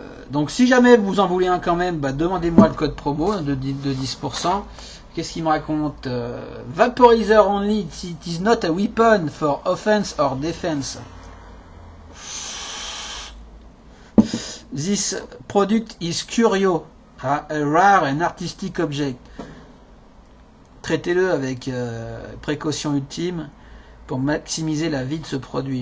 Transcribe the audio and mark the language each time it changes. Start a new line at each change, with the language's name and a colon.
French: Donc si jamais vous en voulez un quand même, bah, demandez-moi le code promo de 10%. Qu'est-ce qu'il me raconte?
English: Vaporizer only, it is not a weapon for offense or defense. This product is curio, a rare and artistic object.
French: Traitez-le avec précaution ultime pour maximiser la vie de ce produit.